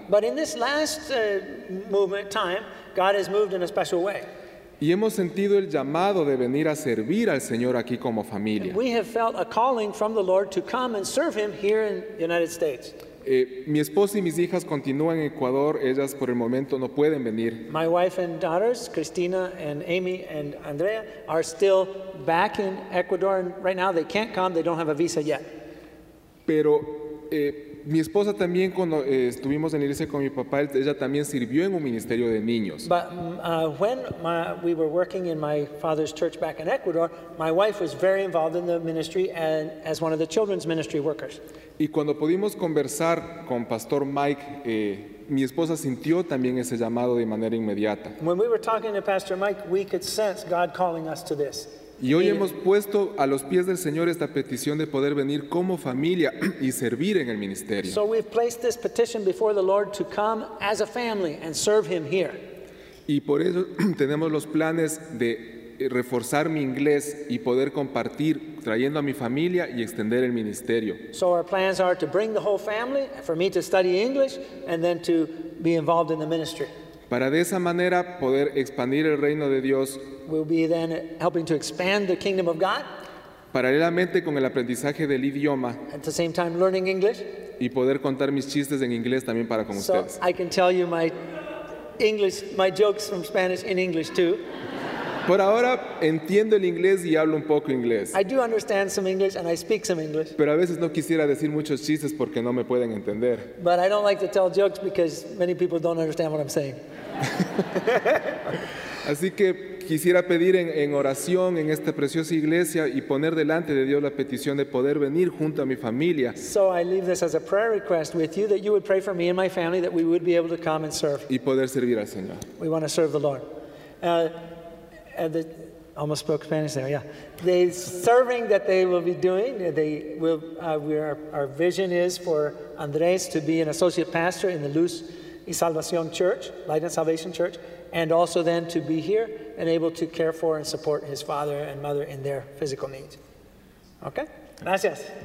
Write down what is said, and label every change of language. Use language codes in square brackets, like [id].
[en] But in this last movement time, God has moved in a special way. [es] Y hemos sentido el llamado de venir a servir al Señor aquí como familia. [en] We have felt a calling from the Lord to come and serve Him here in the United States. [es] Mi esposa y mis hijas continúan en Ecuador. Ellas por el momento no pueden venir. [en] My wife and daughters, Christina and Amy and Andrea, are still back in Ecuador, and right now they can't come. They don't have a visa yet. [es] Pero mi esposa también, cuando estuvimos en la iglesia con mi papá, ella también sirvió en un ministerio de niños. [en] But when we were working in my father's church back in Ecuador, my wife was very involved in the ministry and as one of the children's ministry workers. [es] Y cuando pudimos conversar con Pastor Mike, mi esposa sintió también ese llamado de manera inmediata. [en] When we were talking to Pastor Mike, we could sense God calling us to this. [es] Y hoy hemos puesto a los pies del Señor esta petición de poder venir como familia y servir en el ministerio. [en] So we've placed this petition before the Lord to come as a family and serve Him here. [es] Y por eso tenemos los planes de reforzar mi inglés y poder compartir trayendo a mi familia y extender el ministerio. [en] So our plans are to bring the whole family, for me to study English, and then to be involved in the ministry. [es] Para de esa manera poder expandir el reino de Dios. [en] We'll be then helping to expand the kingdom of God. [es] Paralelamente con el aprendizaje del idioma. [en] At the same time learning English. [es] Y poder contar mis chistes en inglés también para con ustedes. [en] So I can tell you my English, my jokes from Spanish in English too. [es] Por ahora entiendo el inglés y hablo un poco inglés. [en] I do understand some English and I speak some English. [es] Pero a veces no quisiera decir muchos chistes porque no me pueden entender. [en] But I don't like to tell jokes because many people don't understand what I'm saying. [es] Así que quisiera pedir en oración en esta preciosa iglesia y poner delante de Dios la petición de poder venir junto a mi familia. [en] So I leave this as a prayer request with you that you would pray for me and my family that we would be able to come and serve. [es] Y poder servir al Señor. [en] We want to serve the Lord. The, almost spoke Spanish there, yeah. The serving that they will be doing, they will. Our vision is for Andres to be an associate pastor in the Luz y Salvación Church, Light and Salvation Church, and also then to be here and able to care for and support his father and mother in their physical needs. Okay? Gracias.